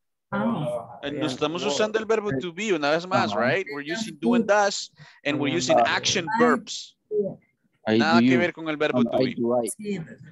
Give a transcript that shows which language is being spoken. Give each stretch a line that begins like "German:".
Spanish: No estamos usando el verbo to be una vez más, right?
English: We're using do and does, and we're using action verbs.
Spanish: Nada que ver con el verbo to be.